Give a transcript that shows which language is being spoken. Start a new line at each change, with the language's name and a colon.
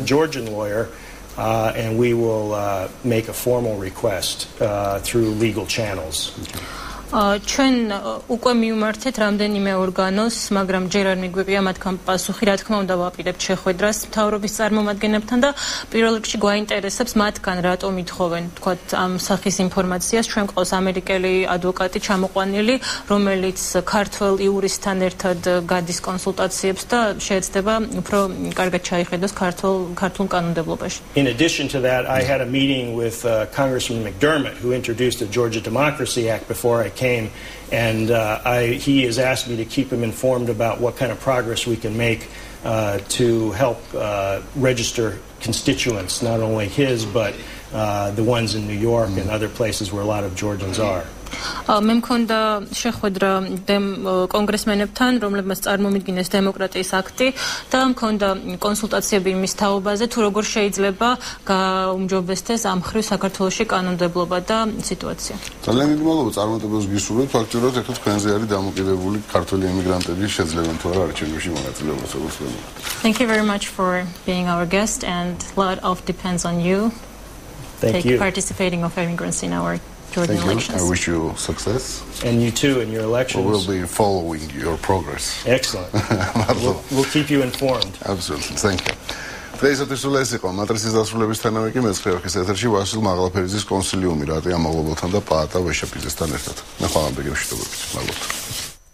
English: a Georgian lawyer and we will make a formal request through legal channels. Okay.
Georgian: ჩვენ უკვე მიმართეთ რამდენიმე ორგანოს, მაგრამ ჯერ არ მიგვიყია მათგან პასუხი. რა თქმა უნდა, ვაპირებთ შეხვედრას მთავრობის წარმომადგენლებთან და პირველ რიგში გვაინტერესებს მათგან რატომ ითხოვენ, თქვა, ამ სახის ინფორმაციას. ჩვენ გვყავს ამერიკელი ადვოკატი ჩამოყვანილი, რომელიც ქართველ იურისტთან ერთად გადის კონსულტაციებს და შეეცდება უფრო კარგად ჩაიხედოს ქართულ კანონმდებლობაში.
English: In addition to that, I had a meeting with Congressman McDermott who introduced the Georgia Democracy Act before I came, and he has asked me to keep him informed about what kind of progress we can make to help register constituents, not only his but the ones in New York and other places where a lot of Georgians are.
Georgian: მე მქონდა შეხვედრა კონგრესმენებთან, რომლებმაც წარმომიდგინეს დემოკრატიის აქტი და მქონდა კონსულტაციები იმის თაობაზე, თუ როგორ შეიძლება გაუმჯობესდეს ამ მხრივ საქართველოში კანონმდებლობა და სიტუაცია. ძალიან დიდი მადლობა, წარმატებას გისურვებთ. ფაქტობრივად ერთად თქვენზე არის დამოკიდებული ქართველი ემიგრანტები შეძლებენ თუ არა არჩევნებში მონაწილეობას, როგორც ვთქვი.
English: Thank you very much for being our guest and a lot of depends on you. Thank you. Participating of immigrants in our Thank you. I wish you success. And you too in your elections. We'll be following your progress. Excellent. we'll keep you informed. Absolutely. Thank you.
Georgian: დღეისათვის სულ ეს იყო მატრიცის დასრულებისთანავე კი მეცხრე ოქის ეთერში ვასილ მაღლაფერიძის კონსილიუმი, რატია მაღლობელთან და პაატა ვეშაპიძესთან ერთად. ნახვამდე გეშვიდობებით. მადლობა.